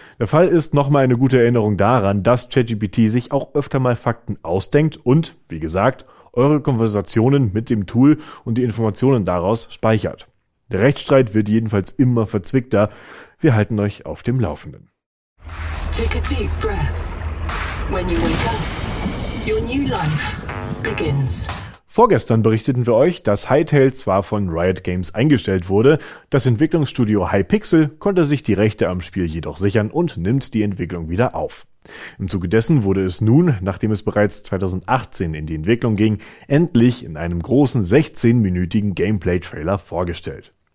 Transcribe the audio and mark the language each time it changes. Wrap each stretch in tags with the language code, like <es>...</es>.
<de>Der Fall ist nochmal eine gute Erinnerung daran, dass ChatGPT sich auch öfter mal Fakten ausdenkt und, wie gesagt, eure Konversationen mit dem Tool und die Informationen daraus speichert. Der Rechtsstreit wird jedenfalls immer verzwickter. Wir halten euch auf dem Laufenden.</de> <en>Take a deep breath. When you wake up, your new life begins.</en> <de>Vorgestern berichteten wir euch, dass Hytale zwar von Riot Games eingestellt wurde, das Entwicklungsstudio Hypixel konnte sich die Rechte am Spiel jedoch sichern und nimmt die Entwicklung wieder auf. Im Zuge dessen wurde es nun, nachdem es bereits 2018 in die Entwicklung ging, endlich in einem großen 16-minütigen Gameplay-Trailer vorgestellt.</de>